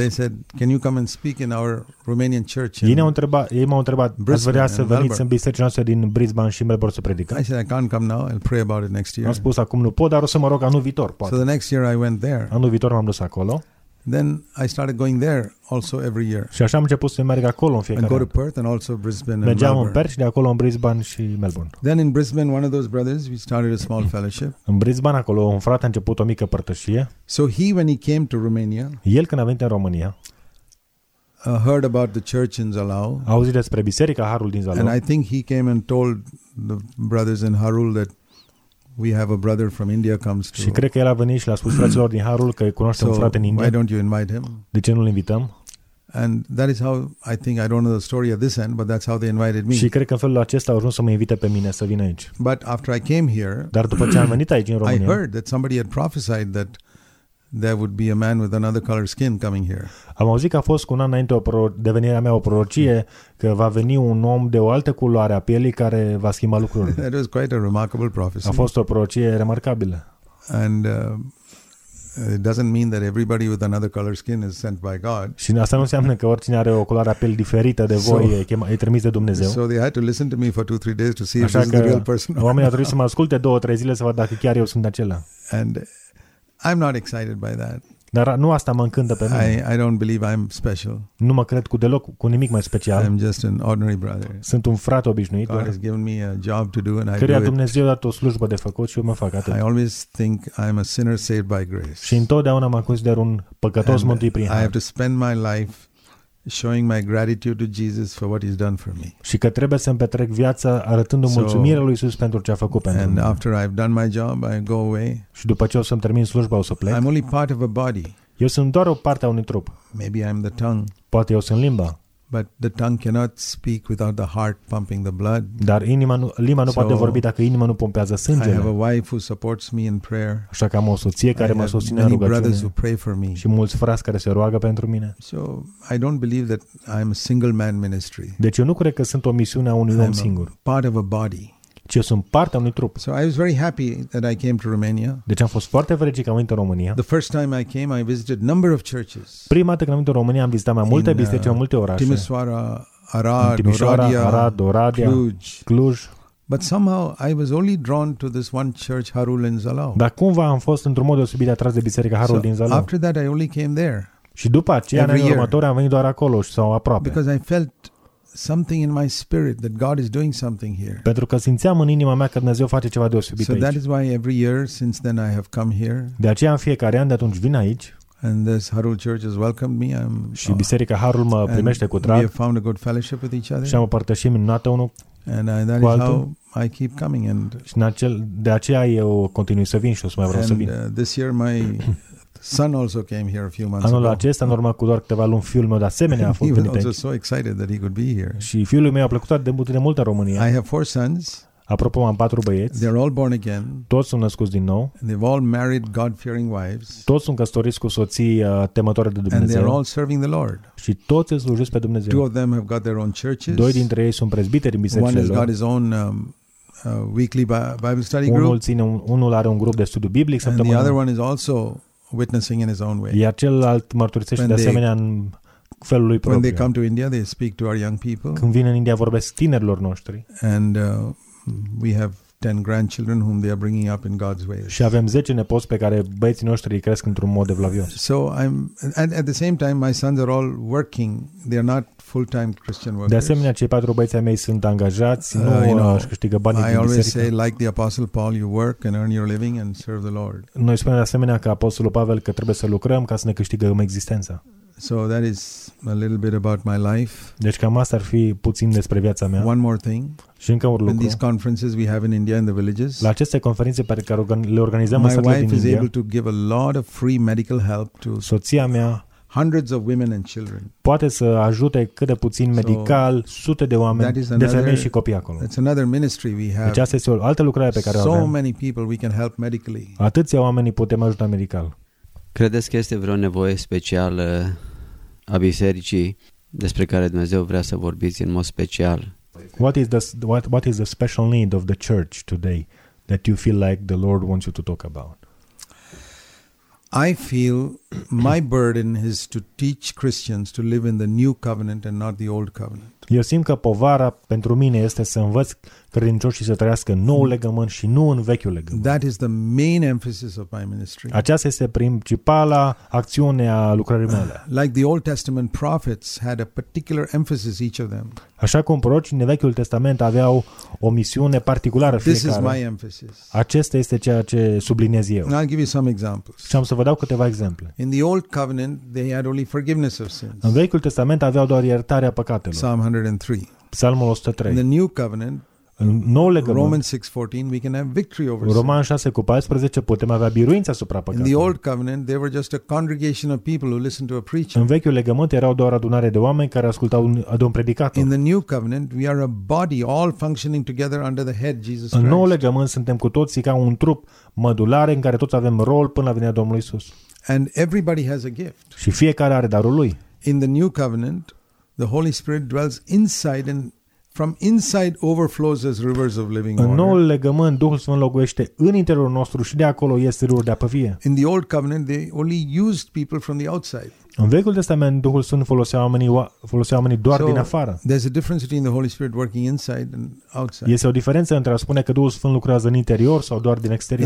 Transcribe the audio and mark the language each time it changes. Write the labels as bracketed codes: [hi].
[en] And they said, can you come and speak in our Romanian church? [ro] Ei m-au întrebat, ați vrea să veniți în biserica noastră din Brisbane și Melbourne să predicați? [en] I said, I can't come now, I'll pray about it next year. [ro] Am spus, acum nu pot, dar o să mă rog anul viitor, poate. [en] So the next year I went there. [ro] Anul viitor m-am dus acolo. [en] Then I started going there also every year. [ro] Și așa am început să merg acolo în fiecare an. [en] And go to Perth and also Brisbane and Melbourne. [ro] Mergeam în Perth și de acolo în Brisbane și Melbourne. [en] Then in Brisbane, one of those brothers, we started a small fellowship. [ro] În Brisbane, acolo, un frate a început o mică părtășie. [en] So he, when he came to Romania, [ro] el când a venit în România, [en] heard about the church in Zalau. [ro] A auzit despre biserica Harul din Zalau. [en] And I think he came and told the brothers in Harul that we have a brother from India comes to. [ro] Și cred că el a venit și l-a spus fraților din Harul că cunoaște un frate în India. [en] Why don't you invite him? [ro] De ce nu-l invităm? [en] And that is how I think I don't know the story at this end, but that's how they invited me. [ro] Și cred că în felul acesta au ajuns să mă invite pe mine să vin aici. [en] But after I came here, [ro] dar după ce am venit aici în România, [en] I heard that somebody had prophesied that there would be a man with another color skin coming here. [ro] Am auzit că a fost cu un an înainte devenirea mea o prorocie că va veni un om de o altă culoare a pielii care va schimba lucrurile. [en] That was quite a remarkable prophecy. [ro] A fost o prorocie remarcabilă. [en] And it doesn't mean that everybody with another color skin is sent by God. [ro] Și asta nu înseamnă că oricine are o culoare a pielii diferită de voi e trimis de Dumnezeu. [en] So they had to listen to me for 2-3 days to see if this is the real person. [ro] Oamenii au trebuit să mă asculte 2-3 zile să văd dacă chiar eu sunt acela. [en] And I'm not excited by that. [ro] Dar nu asta mă încântă pe mine. [en] I don't believe I'm special. [ro] Nu mă cred cu deloc cu nimic mai special. [en] I'm just an ordinary brother. [ro] Sunt un frate obișnuit. [en] God has given me a job to do and I do it. [ro] Căruia Dumnezeu a dat o slujbă de făcut și eu mă fac atât. [en] I always think I'm a sinner saved by grace. [ro] Și întotdeauna mă consider un păcătos mântuit prin har. I have to spend my life showing my gratitude to Jesus for what he's done for me. Și că trebuie să-mi petrec viața arătându-mi mulțumirea lui Iisus pentru ce a făcut pentru mine. [en] And after I've done my job, I go away. [ro] Și după ce o să-mi termin slujba, o să plec. [en] I'm only part of a body. [ro] Eu sunt doar o parte a unui trup. [en] Maybe I'm the tongue. [ro] Poate eu sunt limba. [en] But the tongue cannot speak without the heart pumping the blood. [ro] Dar inima nu, limba nu poate vorbi dacă inima nu pompează sângele. [en] I have a wife who supports me in prayer. [ro] Așa că am o soție care mă susține în rugăciune. [en] Many brothers who pray for me. [ro] Și mulți frați care se roagă pentru mine. [en] So I don't believe that I'm a single man ministry. [ro] Deci eu nu cred că sunt o misiune a unui om singur. [en] Part of a body. [ro] Ci eu sunt parte a unui trup. [en] So I was very happy that I came to Romania. [ro] Deci am fost foarte fericit că am venit în România. [en] The first time I came, I visited number of churches. [ro] Prima dată când am venit în România, am vizitat mai multe biserici, mai multe orașe. [en] Timișoara, Arad, Oradea, Cluj. But somehow I was only drawn to this one church, Harul in Zalau. [ro] Dar cumva am fost într-un mod deosebit atras de biserica Harul din Zalau. [en] After that I only came there. [ro] Și după aceea, în anii următori, am venit doar acolo sau aproape. [en] Because I felt something in my spirit that God is doing something here. [ro] Pentru că simțeam în inima mea că Dumnezeu face ceva deosebit aici. [en] So that is why every year since then I have come here. [ro] De aceea în fiecare an de atunci vin aici. [en] And this Harul Church has welcomed me. I'm [ro] și biserica Harul mă primește cu drag. [en] We have found a good fellowship with each other. [ro] Și am o părtășie minunată unul cu altul. [en] And that is how I keep coming and [ro] și de aceea eu continui să vin și o să mai vreau să vin. [en] This year my son also came here a few months [ro] anul acesta, [en] ago. [ro] Normal cu doar câteva luni, fiul meu de asemenea a fost venit aici. [en] He was so excited that he could be here. [ro] Și fiul meu a plăcut atât de mult, de mult în România. [en] I have four sons. [ro] Apropo, am patru băieți. [en] They're all born again. [ro] Toți sunt născuți din nou. [en] And they've all married God-fearing wives. [ro] Toți sunt căsătoriți cu soții temătoare de Dumnezeu. [en] And they're all serving the Lord. [ro] Și toți îi slujesc pe Dumnezeu. [en] Two of them have got their own churches. [ro] Doi dintre ei sunt prezbiteri în bisericile lor. [en] One has got his own weekly Bible study group. [ro] Unul are un grup de studiu biblic săptămânal. [en] And the other one is also witnessing in his own way. [ro] Iar celălalt mărturisește de asemenea în felul lui propriu. [en] When they come to India, they speak to our young people. [ro] Când vin în India, vorbesc tinerilor noștri. [en] And we have 10 grandchildren whom they are bringing up in God's way. [ro] Și avem 10 nepoți pe care băieții noștri îi cresc într-un mod evlavios. [en] So I'm and at the same time my sons are all working. They are not full-time Christian workers. [ro] De asemenea, cei patru băieți ai mei sunt angajați, nu își câștigă banii din biserică. [en] I always say like the apostle Paul, you work and earn your living and serve the Lord. [ro] Noi spunem de asemenea ca apostolul Pavel că trebuie să lucrăm ca să ne câștigăm existența. [en] So that is a little bit about my life. [ro] Deci cam asta ar fi puțin despre viața mea. [en] One more thing. [ro] Și încă un lucru. [en] In these conferences we have in India in the villages. [ro] La aceste conferințe pe care le organizăm în satele din India. [en] My wife is able to give a lot of free medical help to [ro] soția mea. [en] Hundreds of women and children. [ro] Poate să ajute cât de puțin medical sute de oameni, de femei și copii acolo. [en] That's another ministry we have. [ro] Deci asta este o altă lucrare pe care o avem. [en] So many people we can help medically. [ro] Atâția oameni putem ajuta medical. Credeți că este vreo nevoie specială a bisericii despre care Dumnezeu vrea să vorbiți în mod special? [en] What is the special need of the church today that you feel like the Lord wants you to talk about? I feel my burden is to teach Christians to live in the new covenant and not the old covenant. [ro] Eu simt că povara pentru mine este să învăț credincioșii să trăiască în noul legământ și nu în vechiul legământ. [en] That is the main emphasis of my ministry. [ro] Aceasta este principala acțiune a lucrării mele. [en] Like the Old Testament prophets had a particular emphasis each of them. [ro] Așa cum prorocii din Vechiul Testament aveau o misiune particulară fiecare. [en] This is my emphasis. [ro] Acesta este ceea ce subliniez eu. [en] I'll give you some examples. [ro] Și am să vă dau câteva exemple. [en] In the Old Covenant they had only forgiveness of sins. [ro] În Vechiul Testament aveau doar iertarea păcatelor. [en] Psalm 103. [ro] Psalmul 103. [en] In the New Covenant, [ro] în nou legământ, [en] Romans 6:14, we can have victory over sin. [ro] Roman 6:14, putem avea biruința asupra păcatului. [en] In the Old Covenant, they were just a congregation of people who listened to a preacher. [ro] În Vechiul Legământ erau doar adunare de oameni care ascultau de un predicator. [en] In the New Covenant, we are a body all functioning together under the head, Jesus Christ. [ro] În nou legământ suntem cu toții ca un trup mădular în care toți avem rol până la venirea Domnului Isus. [en] And everybody has a gift. [ro] Și fiecare are darul lui. [en] In the New Covenant, the Holy Spirit dwells inside and from inside overflows as rivers of living water. [ro] În noul legământ, Duhul Sfânt locuiește în interiorul nostru și de acolo iese râuri de apă vie. [en] In the Old Covenant, they only used people from the outside. [ro] În Vechiul Testament, Duhul Sfânt folosea oamenii doar din afară. [en] There's a difference between the Holy Spirit working inside and outside. [ro] Este o diferență între a spune că Duhul Sfânt lucrează în interior sau doar din exterior.